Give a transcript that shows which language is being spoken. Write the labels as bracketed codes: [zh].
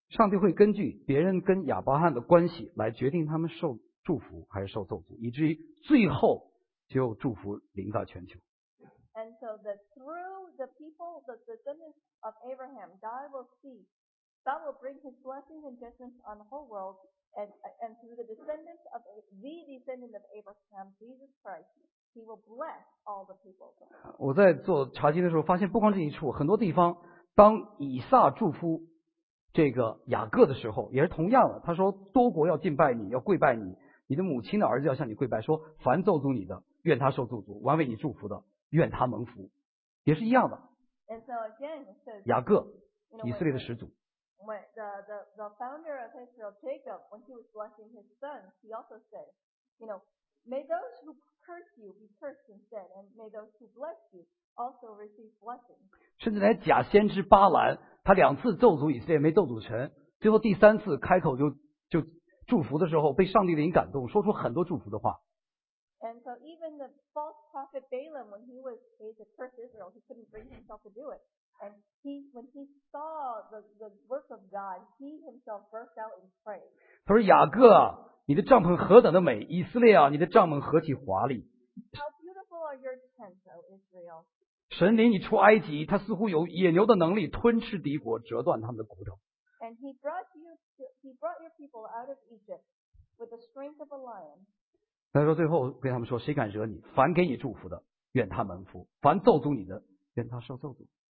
[zh] 上帝会根据别人跟亚伯拉罕的关系来决定他们受祝福还是受咒诅，以至于最后就祝福临到全球。 [en] And so that through the people, the descendants of Abraham, God will see, God will bring His blessings and judgments on the whole world, and through the descendants of the descendant of Abraham, Jesus Christ, He will bless all the people. [zh] 我在做查经的时候发现，不光这一处，很多地方。当以撒祝福这个雅各的时候，也是同样的。他说：“多国要敬拜你，要跪拜你，你的母亲的儿子要向你跪拜，说凡咒诅你的，愿他受咒诅；凡为你祝福的，愿他蒙福。” 也是一样的。 [en] And so again, so, [zh] 雅各 [en] you know, [zh] 以色列的始祖。 [en] When the founder of Israel, Jacob, when he was blessing his sons, he also said, you know, may those who curse you be cursed instead, and may those who bless you. Also receive blessing. [zh] 甚至连假先知巴兰，他两次咒诅以色列没咒诅成，最后第三次开口就祝福的时候，被上帝灵感动，说出很多祝福的话。 [en] And so even the false prophet Balaam, when he was paid to curse Israel, he couldn't bring himself to do it. And he, when he saw the work of God, he himself burst out in praise. [zh] 他说：“雅各，你的帐篷何等的美，以色列啊，你的帐篷何其华丽。 [en] How beautiful are your tents, O Israel? [zh] 神领你出埃及，他似乎有野牛的能力吞吃敌国，折断他们的骨头。 [en] And he brought your people out of Egypt with the strength of a lion. [zh] 他说最后跟他们说，谁敢惹你，凡给你祝福的愿他蒙福，凡咒诅你的愿他受咒诅。